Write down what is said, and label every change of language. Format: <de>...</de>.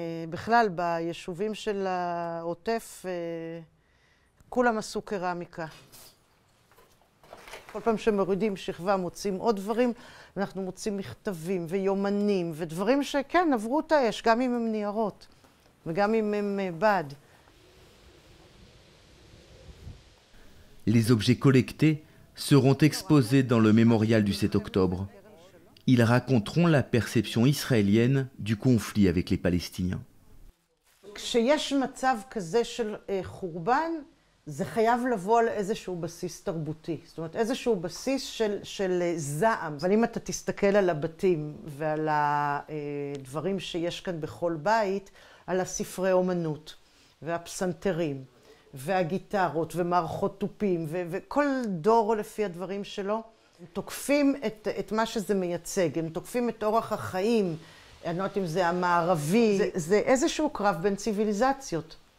<he>בכלל, ביישובים של העוטף, כולם עשו קרמיקה. כל פעם שמרידים שכבה, מוצאים עוד דברים, אנחנו מוצאים מכתבים ויומנים ודברים שכן, עברו את האש, גם אם הם ניירות וגם אם הם בד.</he> <fr>Les objets collectés seront exposés dans le mémorial du 7 octobre. Ils raconteront la perception israélienne du conflit avec les Palestiniens.</fr> <he>כשיש מצב כזה של חורבן, זה חייב לבוא על איזשהו בסיס תרבותי. זאת אומרת, איזשהו בסיס של זעם. אבל אם אתה תסתכל על הבתים ועל הדברים שיש כאן בכל בית, על הספרי אומנות והפסנתרים, והגיטרות ומערכות טופים וכל דור לפי הדברים שלו, הם תוקפים את מה שזה מייצג, הם תוקפים את אורח החיים, אני לא יודעת אם זה המערבי, זה איזשהו קרב בין ציוויליזציות.</he>